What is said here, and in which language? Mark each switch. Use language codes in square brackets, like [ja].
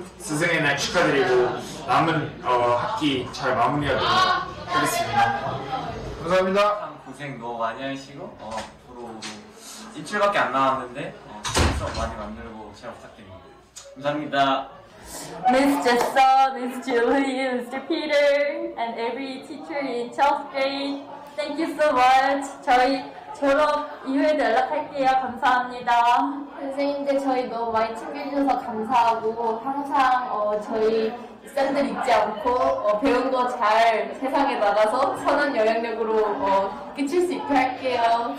[ko] 스승의 날 축하드리고 남은 학기 잘 마무리하도록 하겠습니다. 감사합니다. 고생 너무 많이 하시고 앞으로 일주일밖에 안 남았는데 수업 많이 만들고 잘 부탁드립니다. 감사합니다. [en] Ms. Jessa, Ms. Julie, Mr. Peter, and every teacher in 12th grade, thank you so much. [ko] 저희 졸업 이후에 연락할게요. 감사합니다. 선생님들 저희 너무 많이 챙겨주셔서 감사하고 항상 저희 입생들 잊지 않고 배운 거 잘 세상에 나가서 선한 영향력으로 끼칠 수 있게 할게요.